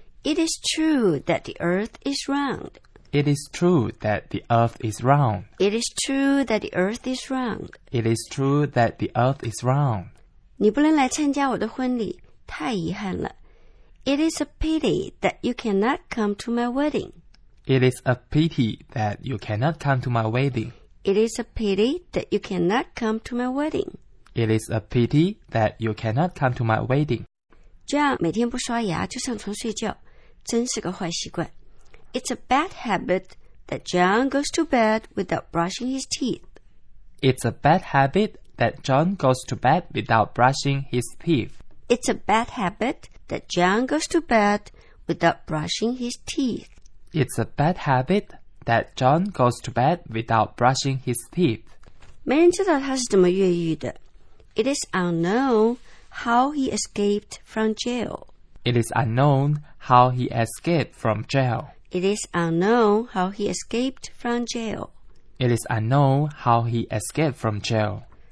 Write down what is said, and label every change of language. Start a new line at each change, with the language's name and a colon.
English: It is true that the earth is round It is true that the earth is round It is true that the earth is round It is true that the earth is round
Chinese: 你不能来参加我的婚礼，太遗憾了。
English: It is a pity that you cannot come to my wedding. It is a pity that you cannot come to my wedding. It is a pity that you cannot come to my wedding. It is a pity that you cannot come to my wedding.
Chinese: 这样每天不刷牙就上床睡觉，真是个坏习惯。
English: It's a bad habit that John goes to bed without brushing his teeth. It's a bad habit. That John goes to bed without brushing his teeth. It's a bad habit that John goes to bed without brushing his teeth. It's a bad habit that John goes to bed without brushing his teeth.
Chinese: 没人知道他是怎么越狱的。
English: It is unknown how he escaped from jail. It is unknown how he escaped from jail. It is unknown how he escaped from jail. It is unknown how he escaped from jail.